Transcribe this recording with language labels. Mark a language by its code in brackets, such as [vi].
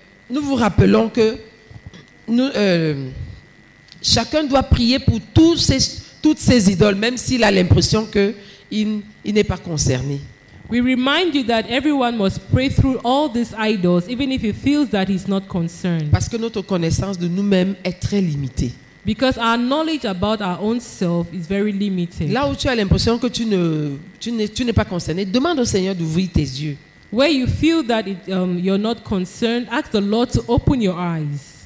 [fr] Nous vous rappelons que nous, chacun doit prier pour toutes ses idoles, même s'il a l'impression qu'il n'est pas concerné. [en] We remind you that everyone must pray through all these idols, even if he feels that he's not concerned. [fr] Parce que notre connaissance de nous-mêmes est très limitée. [en] Because our knowledge about our own self is very limited. [fr] Là où tu as l'impression que tu n'es pas concerné, demande au Seigneur d'ouvrir tes yeux. [en] Where you feel that you're not concerned, ask the Lord to open your eyes.